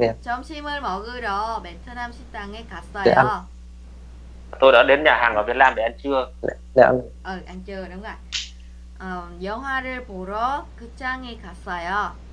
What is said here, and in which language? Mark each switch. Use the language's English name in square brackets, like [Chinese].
[Korean] 점심을 먹으려 베트남 식당에 갔어요. [Vietnamese] Tôi đã đến nhà hàng ở Việt Nam để ăn trưa. Để ăn. Ừ, ăn trưa đúng rồi. [Korean] 영화를 보러 극장에 갔어요.